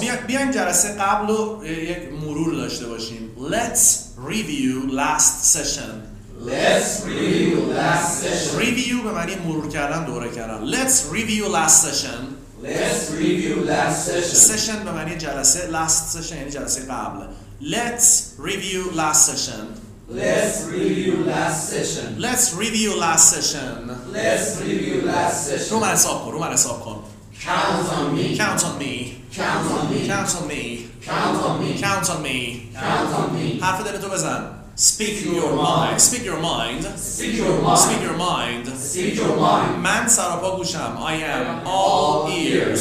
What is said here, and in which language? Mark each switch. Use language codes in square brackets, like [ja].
[fa] بیا بیاین جلسه قبل یک مرور داشته باشیم. [en] Let's review last session. Let's review last session. [fa] Review به معنی مرور کردن، دوره کردن. [en] Let's review last session. Let's review last session. [fa] Session به معنی جلسه. Last session یعنی جلسه قبل. [en] Let's review last session. Let's review last session. Let's review last session. Let's review last session. [fa] رو من حساب کن. رو من حساب کن. [en] Count on me. Count on me. Count on me. Count on me. Count on me. Count on me. Count on me. [fa] حرف دلت رو بزن. [en] Speak your mind. Speak your mind. Speak your mind. Speak your mind. Speak your mind. [fa] من سراپا گوشم. [en] I am all ears.